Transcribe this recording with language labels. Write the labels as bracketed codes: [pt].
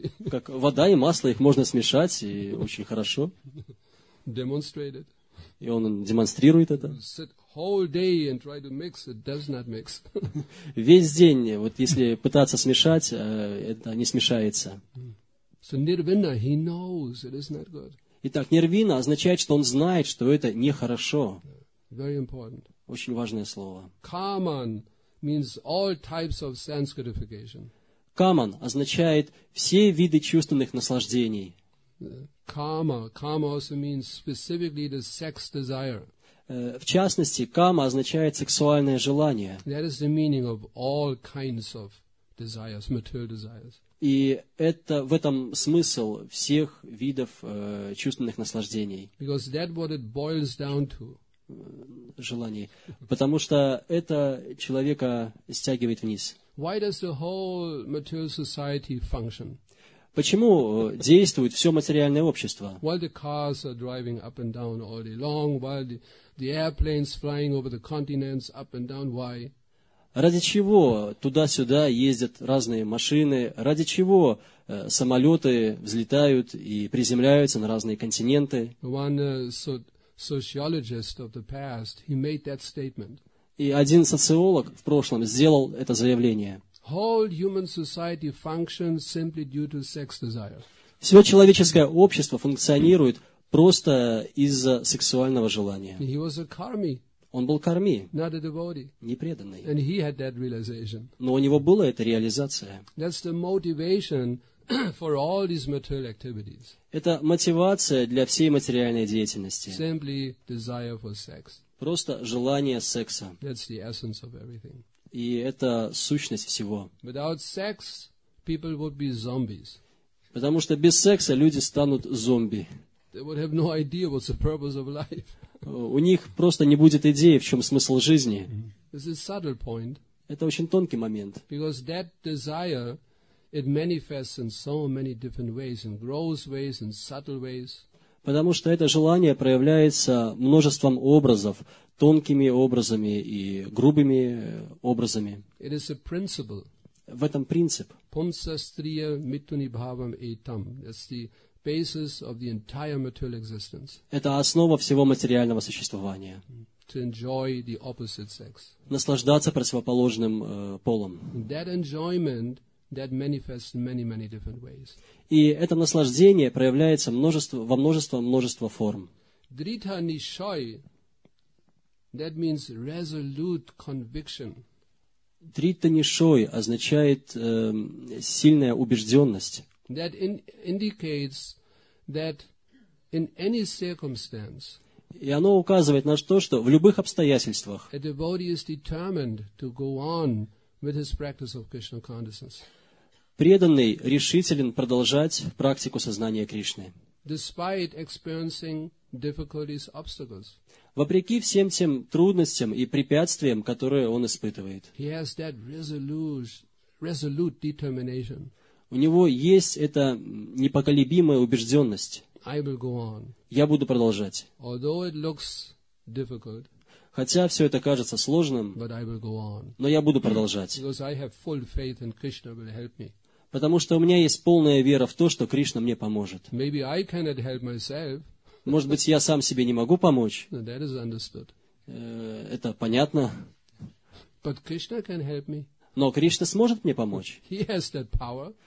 [ru] Как вода и масло, их можно смешать, и очень хорошо. [en] Demonstrated. [ru] И он демонстрирует это. [en] Whole day and try to mix, it does not mix. [ru] Весь день, вот если пытаться смешать, это не смешается. [en] So Nirvana, he knows it is not good. [ru] Итак, Нирвина означает, что он знает, что это нехорошо. [en] Very important. [ru] Очень важное слово. [en] Kaman means all types of sense gratification. [ru] Kaman означает все виды чувственных наслаждений. [en] Kama also means specifically the sex desire. [ru] В частности, кама означает сексуальное желание. [en] That is the meaning of all kinds of desires, material desires. [ru] И это в этом смысл всех видов чувственных наслаждений. [en] Because that what it boils down to. [ru] Желаний. Потому что это человека стягивает вниз. [en] Why does the whole material society function? [ru] Почему действует все материальное общество? [en] While the cars are driving up and down all day long, while the airplanes flying over the continents up and down, why? [ru] Ради чего туда-сюда ездят разные машины? Ради чего самолеты взлетают и приземляются на разные континенты? [en] One sociologist of the past, he made that statement. [ru] И один социолог в прошлом сделал это заявление. [en] Whole human society functions simply due to sex desire. [ru] Все человеческое общество функционирует просто из-за сексуального желания. [en] He was a karmi. [ru] Он был карми. [en] Not a devotee. [ru] Не преданный. [en] And he had that realization. [ru] Но у него была эта реализация. [en] That's the motivation for all these material activities. [ru] Это мотивация для всей материальной деятельности. [en] Simply desire for sex. [ru] Просто желание секса. [en] That's the essence of everything. [ru] И это сущность всего. [en] Without sex, people would be zombies. [ru] Потому что без секса люди станут зомби. [en] They would have no idea what's the purpose of life. [ru] У них просто не будет идеи, в чем смысл жизни. [en] This is a subtle point. [ru] Это очень тонкий момент. [en] Because that desire, it manifests in so many different ways, in gross ways, in subtle ways. [ru] Потому что это желание проявляется множеством образов, тонкими образами и грубыми образами. [en] It is a principle. [ru] В этом принцип. [sa] Pumsastriya mituni bhavam etam. [en] That's the basis of the entire material existence. [ru] Это основа всего материального существования. [en] To enjoy the opposite sex. [ru] Наслаждаться противоположным полом. [en] That enjoyment that manifests in many, many different ways. [ru] И это наслаждение проявляется множество форм. [en] Dritha nishchay, that means resolute conviction. [ru] Dritha nishchay означает сильная убежденность. [en] That indicates that in any circumstance. [ru] И оно указывает на то, что в любых обстоятельствах. [en] A devotee is determined to go on with his practice of Krishna consciousness. [ru] Преданный решителен продолжать практику сознания Кришны. [en] Despite experiencing difficulties, obstacles. [ru] Вопреки всем тем трудностям и препятствиям, которые он испытывает. [en] He has that resolute determination. [ru] У него есть эта непоколебимая убежденность. [en] I will go on. [ru] Я буду продолжать. [en] Although it looks difficult. [ru] Хотя все это кажется сложным, [en] but I will go on. [ru] Но я буду продолжать. [en] Because I have full faith and Krishna will help me. [ru] Потому что у меня есть полная вера в то, что Кришна мне поможет. [en] Maybe I cannot help myself. [ru] Может быть, я сам себе не могу помочь. [en] No, that is understood. [ru] Это понятно. [en] But Krishna can help me. [ru] Но Кришна сможет мне помочь. [en] He has that power.